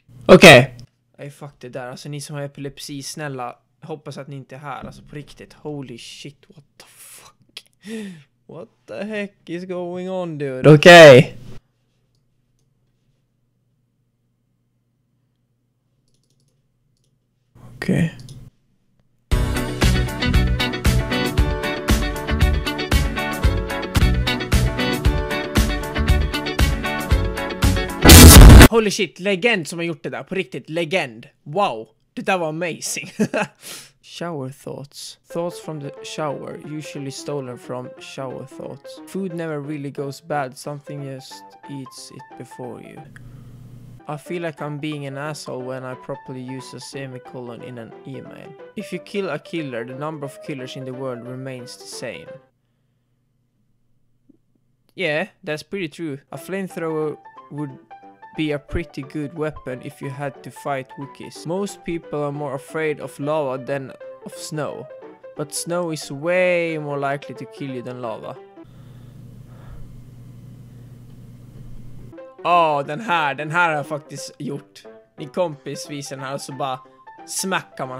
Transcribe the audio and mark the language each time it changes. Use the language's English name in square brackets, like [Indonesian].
[Swedish] Okej. Ej, fuck det där. Alltså, ni som har epilepsi, snälla. Hoppas att ni inte är här. Alltså, på riktigt. [English] Holy shit, what the fuck? What the heck is going on, dude? [Swedish] Okej. Okay. Okej. [English] Holy shit, [Swedish] legend som har gjort det där, på riktigt, legend. Wow, det där var amazing. [English] Shower thoughts. Thoughts from the shower, usually stolen from shower thoughts. Food never really goes bad, something just eats it before you. I feel like I'm being an asshole when I properly use a semicolon in an email. If you kill a killer, the number of killers in the world remains the same. Yeah, that's pretty true. A flamethrower would... be a pretty good weapon if you had to fight Wookiees. Most people are more afraid of lava than of snow. But snow is way more likely to kill you than lava. [Swedish] Åh, den här har jag faktiskt gjort. Min kompis visar den här och så bara smackar man.